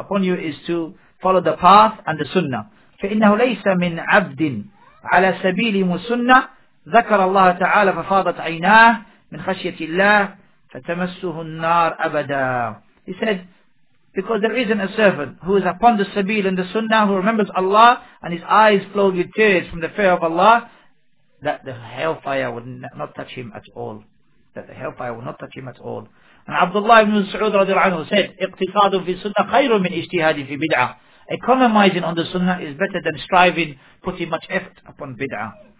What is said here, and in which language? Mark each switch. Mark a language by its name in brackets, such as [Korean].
[English] Upon you is to follow the path and the sunnah. [Arabic] فإنه ليس من عبد على سبيل مسنة ذكر الله تعالى ففاضت عيناه من خشية الله فتمسه النار أبدا. [English] He said, because there isn't a servant who is upon the sabil and the sunnah who remembers Allah and his eyes flow with tears from the fear of Allah, that the hellfire would not touch him at all. that the hellfire will not touch him at all. And Abdullah ibn Saud radiallahu anhu said, [Arabic] اقتصاد في السنة خير من اجتهاد في بدعة. [English] Economizing on the sunnah is better than striving, putting much effort upon bid'ah.